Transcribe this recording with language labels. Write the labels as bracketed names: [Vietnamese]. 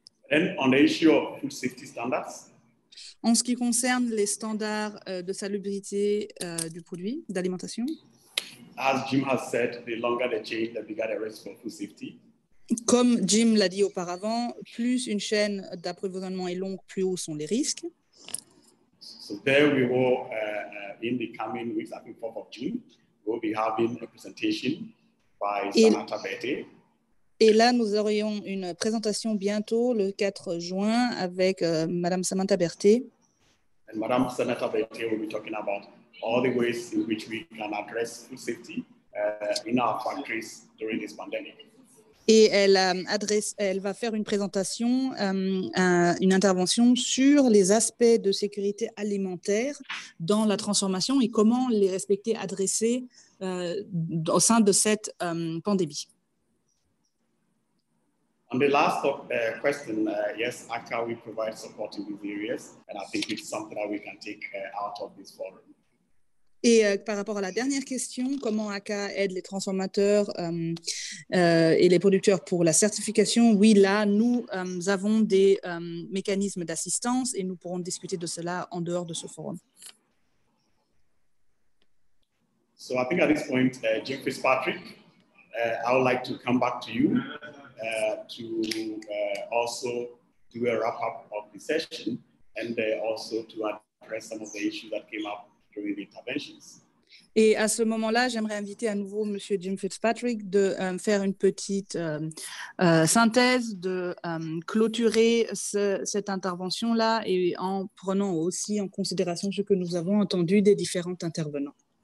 [English] And on the issue of food safety standards. [French] En ce qui concerne les standards de salubrité du produit d'alimentation. [English] As Jim has said, the longer the chain, the bigger the risk for food safety. [French] Comme Jim l'a dit auparavant, plus une chaîne d'approvisionnement est longue, plus hauts sont les risques. [English] So there we will, in the coming weeks, I think 4th of June, we'll be having a presentation by Samantha Betty. [French] Et là, nous aurions une présentation bientôt, le 4 juin, avec Madame Samantha Berthé. [English] And Madame Samantha Berthé will be talking about all the ways in which we can address food safety in our factories during this pandemic. [French] Et elle va faire une présentation, une intervention sur les aspects de sécurité alimentaire dans la transformation et comment les respecter, adresser au sein de cette pandémie. [English] On the last question, yes, ACA, we provide support in these areas, and I think it's something that we can take out of this forum. [French] Et par rapport à la dernière question, comment ACA aide les transformateurs et les producteurs pour la certification? Oui, là, nous avons des mécanismes d'assistance et nous pourrons discuter de cela en dehors de ce forum. [English] So I think at this point, Jim Fitzpatrick, I would like to come back to you to also do a wrap-up of the session and also to address some of the issues that came up during the interventions. [French] Et à ce moment-là, j'aimerais inviter à nouveau M. Jim Fitzpatrick de faire une petite synthèse, de clôturer cette intervention-là et en prenant aussi en considération ce que nous avons entendu des différents intervenants.